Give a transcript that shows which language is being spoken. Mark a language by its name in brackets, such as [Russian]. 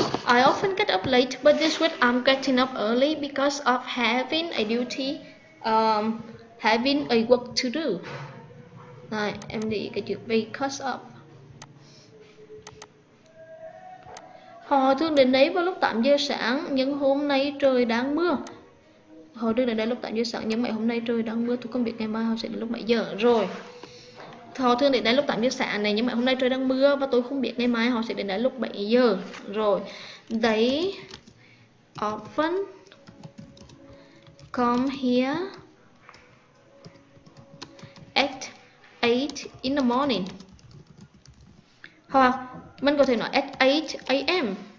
[English] I often get up late, but this week I'm getting up early because of having a duty, having a work to do. [Vietnamese] Rồi, em đi cái chữ because of. Họ thường đến đấy vào lúc 8 giờ sáng, nhưng hôm nay trời đang mưa. Họ thường đến đấy lúc 8 giờ sáng, nhưng mà hôm nay trời đang mưa. Tôi không biết ngày mai họ sẽ đến lúc mấy giờ rồi. Họ thường đến đấy lúc 8 giờ sáng này, nhưng mà hôm nay trời đang mưa. Và tôi không biết ngày mai họ sẽ đến đấy lúc 7 giờ rồi. [English] They often come here at 8 in the morning. [Vietnamese] Hoặc mình có thể nói [English] at 8 a.m.